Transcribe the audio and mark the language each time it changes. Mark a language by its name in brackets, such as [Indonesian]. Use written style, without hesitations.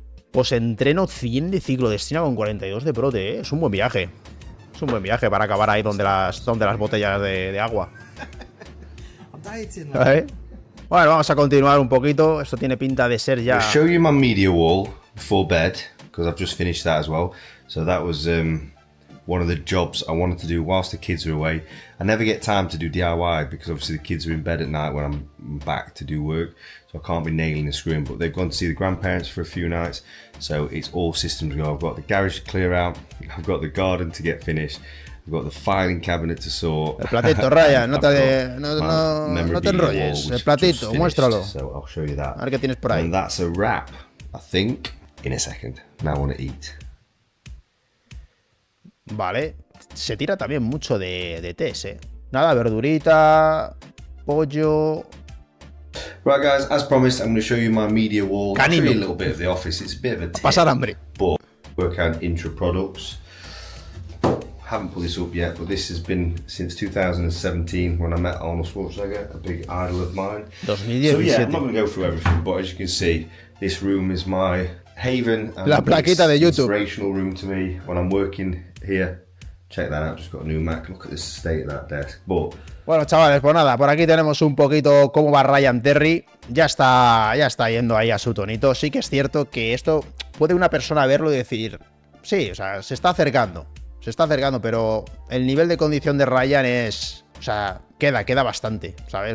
[Spanish] Pues entreno 100 de ciclo de estina con 42 de prote, ¿eh? Es un buen viaje. Es un buen viaje para acabar ahí donde las botellas de agua. ¿Eh? Bueno, vamos a continuar un poquito. Esto tiene pinta de ser ya. [English] Show you my media wall before bed, because I've just finished that as well. So that was one of the jobs I wanted to do whilst the kids were away. I never get time to do DIY because obviously the kids are in bed at night when I'm back to do work. So I can't be nailing and screwing, but they've gone to see the grandparents for a few nights. So it's all systems go. I've got the garage to clear out. I've got the garden to get finished. I've got the filing cabinet to sort. [Spanish] El platito, Raya, no te, no te enrolles. El platito, muéstralo. [English] So I'll show you that. [Spanish] A ver qué tienes por ahí. [English] And that's a wrap, I think, in a second. Now I want to eat. [Spanish] Vale, se tira también mucho de tés, ¿eh? Nada, verdurita, pollo. [English] Right, guys, as promised, I'm going to show you my media wall. Can you a little bit of the office? It's a bit of a tip. [Spanish] Pasar hambre. [English] But work out intra products. Haven't put this up yet, but this has been since 2017 when I met Arnold Schwarzenegger, a big idol of mine. 2017. So, yeah, I'm not going to go through everything, but as you can see, this room is my haven. [Spanish] La plaquita de YouTube. [English] Inspirational room to me when I'm working. Here, check that out, just got a new Mac, look at the state of that desk. But, [Spanish] bueno, chavales, pues nada, por aquí tenemos un poquito cómo va Ryan Terry. Ya está yendo ahí a su tonito. Sí que es cierto que esto puede una persona verlo y decir, sí, o sea, se está acercando, pero el nivel de condición de Ryan es, o sea, queda bastante, ¿sabes?